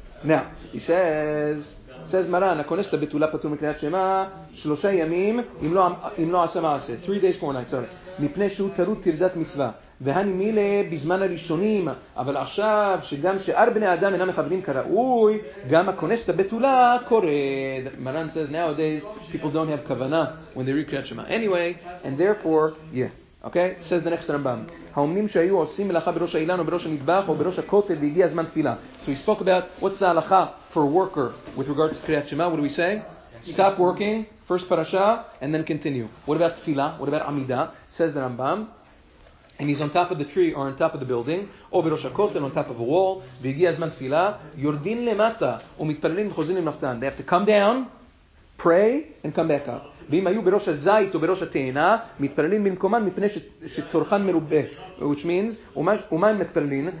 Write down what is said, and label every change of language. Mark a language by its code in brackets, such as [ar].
[en] Now, he says Maran, [he] הקונס את הבתולה פטור מקריאת שמע, 3 ימים, אם לא עשה מעשה. [en] 3 days, 4 nights, sorry. [he] מפני שהוא טרוד טרדת מצווה. והני מילה בזמן הראשונים, אבל עכשיו, שגם שאר בני האדם אינם מכבדים כראוי, גם הקונס את הבתולה קורה. [en] Maran says, nowadays, people don't have כוונה when they read קריאת שמע. Anyway, and therefore, yeah. Okay? Says the next Rambam. [he] האומנים שהיו עושים מלאכה בראש האילן או בראש המטבח או בראש הכותל והגיע הזמן תפילה. [en] So he spoke about what's the הלכה for a worker with regards to קריאת שמה. What do we say? Stop working, first parasha, and then continue. What about תפילה? What about עמידה? Says the Rambam. And he's on top of the tree or on top of the building [he] או בראש הכותל, [en] on top of a wall, [he] והגיע הזמן תפילה. יורדים למטה ומתפללים וחוזרים למחתן. [en] They have to come down, pray, and come back up. [he] ואם היו בראש הזית או בראש התאנה, מתפללים במקומן מפני שתורכן מרובה. [en] Which means, [he] ומה הם מתפללים?